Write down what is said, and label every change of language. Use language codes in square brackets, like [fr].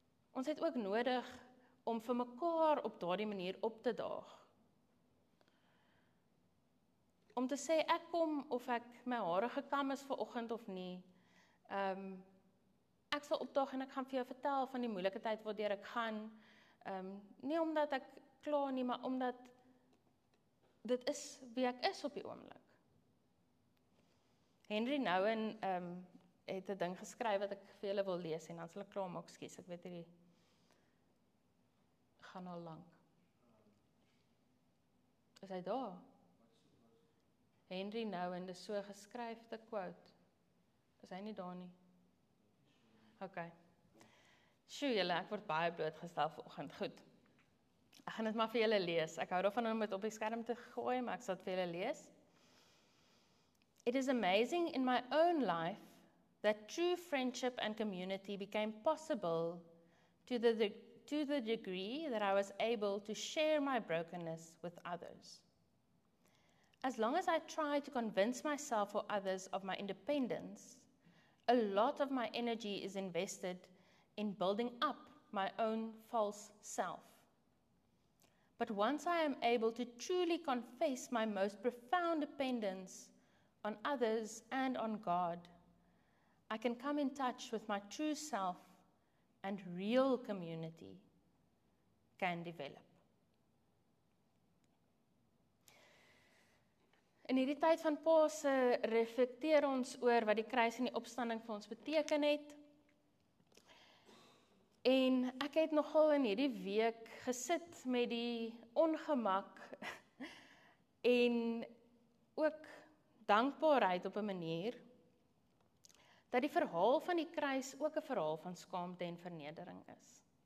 [af] Ons het ook nodig om vir mekaar op daardie manier op te daag. Om te sê ek kom of ek my hare gekam is vanoggend of nie. Ek sal opdaag en ek gaan vir jou vertel van die moeilike tyd waardeur ek gaan. Nie omdat ek klaar nie, maar omdat dit is wie ek is op die oomblik. Henry Nouwen het 'n ding geskryf wat ek vir julle wil lees en dan sal ek klaar maak, skus, ek weet hierdie gaan al lank. Is hy daar? Henry Nouwen, dis so geskryf, die quote. Is hy nie daar nie? OK. Sjoe julle, ek word baie blootgestel vanoggend. Goed. Ek gaan dit maar vir julle lees. Ek hou daarvan om dit op die skerm te gooi, maar ek sal dit vir julle lees. [en] It is amazing in my own life that true friendship and community became possible to the degree that I was able to share my brokenness with others. As long as I try to convince myself or others of my independence, a lot of my energy is invested in building up my own false self. But once I am able to truly confess my most profound dependence on others and on God, I can come in touch with my true self and real community can develop. [af] In hierdie tyd van Paase reflekteer ons oor wat die kruis en die opstanding vir ons beteken het. En ek het nogal in hierdie week gesit met die ongemak en ook dankbaarheid op 'n manier dat die verhaal van die kruis ook 'n verhaal van skaamte en vernedering is.